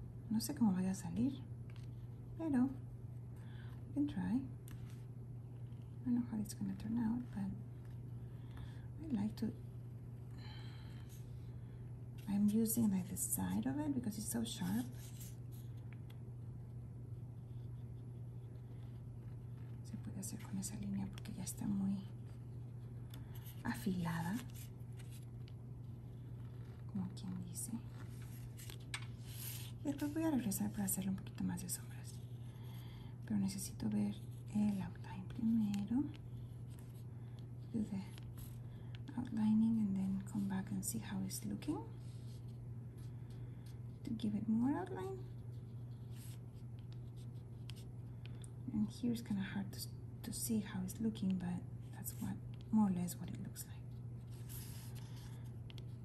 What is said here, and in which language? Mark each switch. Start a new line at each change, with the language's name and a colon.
Spanish: No sé cómo vaya a salir, pero,
English: you can try. I don't know how it's going to turn out, but I like to... I'm using like the side of it because it's so sharp.
Spanish: Se puede hacer con esa línea porque ya está muy afilada. Como quien dice. Y después voy a regresar para hacerle un poquito más de sombras. Pero necesito ver el outline primero.
English: Do the outlining and then come back and see how it's looking. To give it more outline. And here it's kind of hard to see how it's looking, but that's what more or less what it looks like.